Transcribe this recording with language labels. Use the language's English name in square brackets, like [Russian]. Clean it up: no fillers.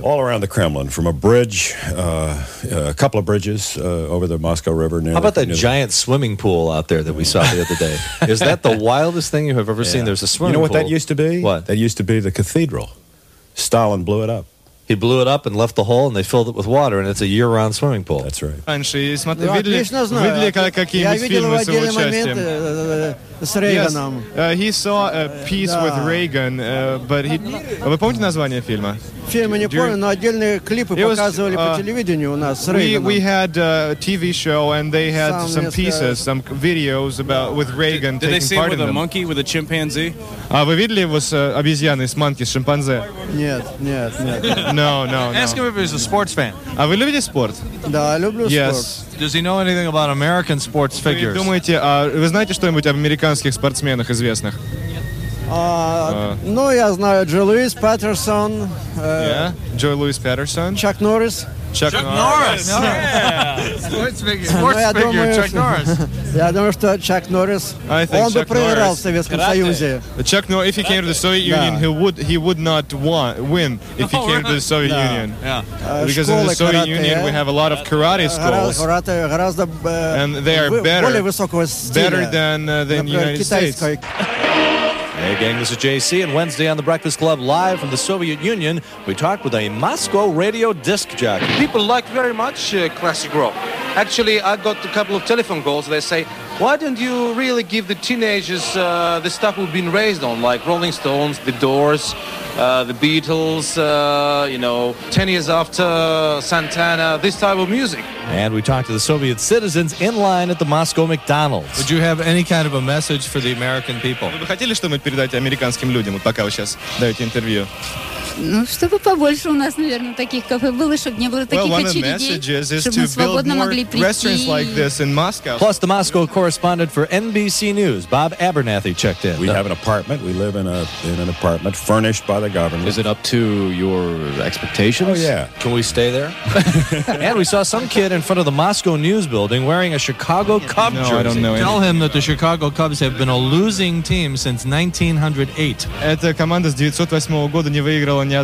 [English] All around the Kremlin, from a bridge, a couple of bridges over the Moscow River. How about that giant swimming pool out there that we saw the other day? Is that the wildest thing you have ever seen? There's a swimming pool. You know what pool. That used to be? What? That used to be the cathedral. Stalin blew it up. He blew it up and left the hole, and they filled it with water, and it's a year-round swimming pool. That's right. [Russian] Раньше, смотри, видели, как какие-нибудь фильмы с его участием. С Рейганом. [English] Yes. He saw a piece with Reagan, but he... [Russian] Вы помните название фильма? Фильма не помню, но отдельные клипы показывали по телевидению у нас с Рейганом. [English] We had a TV show, and they had some pieces, some videos about with Reagan taking part in them. Did they see him with a monkey, with a chimpanzee? [Russian] Вы видели его с обезьяной, с манки, с шимпанзе? Нет. [English] Ask him if he's a sports fan. [Russian] А вы любите спорт? Да, люблю спорт. [English] Yes. Does he know anything about American sports figures? [Russian] Думаете, вы знаете что-нибудь об американских спортсменах известных? Ну, я знаю, Джо Луис Паттерсон. Джо Луис Паттерсон. Чак Норрис. [English] Чак Норрис. Сports figure, Чак Норрис. [Russian] Я думаю, что Чак Норрис, он бы проиграл в Советском Союзе. [English] Чак Норрис, if he came to the Soviet Union, he would not win if he came to the Soviet Union. Because in the Soviet Union, we have a lot of karate schools. And they are better than the United States. Hey gang, this is JC, and Wednesday on The Breakfast Club, live from the Soviet Union, we talked with a Moscow radio disc jockey. People like very much classic rock. Actually, I got a couple of telephone calls. They say, why don't you really give the teenagers the stuff we've been raised on, like Rolling Stones, The Doors, The Beatles, 10 years after Santana, this type of music. And we talked to the Soviet citizens in line at the Moscow McDonald's. Would you have any kind of a message for the American people? [Russian] Вы бы хотели, чтобы мы передали американским людям, вот пока вы сейчас даете интервью? Ну, чтобы побольше у нас, наверное, таких кафе было, чтобы не было таких очередей, чтобы мы свободно могли прийти. [English] Plus, the Moscow correspondent for NBC News, Bob Abernathy, checked in. We have an apartment. We live in an apartment furnished by the government. Is it up to your expectations? Oh, yeah. Can we stay there? And we saw some kid in front of the Moscow News building wearing a Chicago Cubs jersey. No, I don't know anything. Tell him that the Chicago Cubs have been a losing team since 1908. [Russian] Эта команда с 1908 года не выиграла.